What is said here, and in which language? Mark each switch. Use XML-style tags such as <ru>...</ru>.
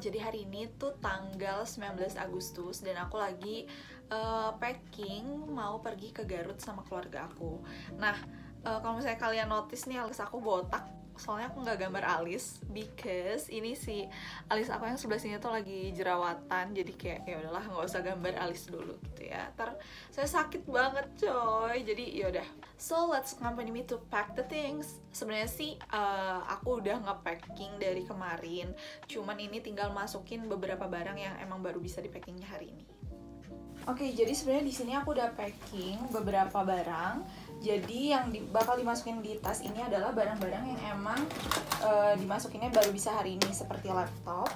<id>Jadi hari ini tuh tanggal 19 Agustus dan aku lagi packing mau pergi ke Garut sama keluarga aku. Nah, kalau misalnya kalian notice nih alis aku botak, soalnya aku nggak gambar alis</id> <en>because</en> <id>ini sih alis aku yang sebelah sini tuh lagi jerawatan, jadi kayak ya udahlah nggak usah gambar alis dulu gitu ya. Ntar saya sakit banget coy. Jadi ya udah.</id> <en>So let's accompany me to pack the things.</en> <id>Sebenarnya sih aku udah nge-packing dari kemarin, cuman ini tinggal masukin beberapa barang yang emang baru bisa di-packingnya hari ini. Okay, jadi sebenarnya di sini aku udah packing beberapa barang. Jadi yang bakal dimasukin di tas ini adalah barang-barang yang emang dimasukinnya baru bisa hari ini, seperti laptop.</id>